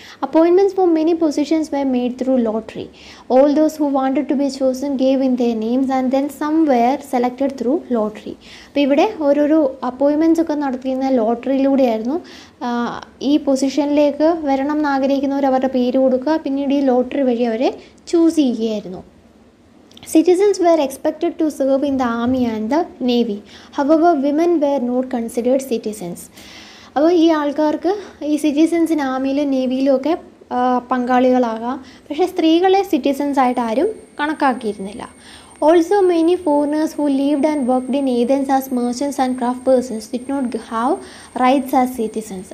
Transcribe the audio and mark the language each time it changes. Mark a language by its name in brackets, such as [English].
[English] Appointments for many positions were made through lottery. All those who wanted to be chosen gave in their names and then some were selected through lottery. [Malayalam] അപ്പോൾ ഇവിടെ ഓരോരോ അപ്പോയിൻമെൻറ്സ് ഒക്കെ നടത്തിയിരുന്ന ലോട്ടറിയിലൂടെയായിരുന്നു ഈ പൊസിഷനിലേക്ക് വരണം എന്ന് ആഗ്രഹിക്കുന്നവർ അവരുടെ പേര് കൊടുക്കുക, പിന്നീട് ഈ ലോട്ടറി വഴി അവരെ ചൂസ് ചെയ്യുകയായിരുന്നു. [English] Citizens were expected to serve in the army and the navy. However, women were not considered citizens. [Malayalam] അപ്പോൾ ഈ ആൾക്കാർക്ക് ഈ സിറ്റിസൻസിന് ആർമിയിലും നേവിയിലും ഒക്കെ പങ്കാളികളാകാം, പക്ഷേ സ്ത്രീകളെ സിറ്റിസൻസ് ആയിട്ട് ആരും കണക്കാക്കിയിരുന്നില്ല. [English] Also many foreigners who lived and worked in Athens as merchants and craft persons did not have rights as citizens.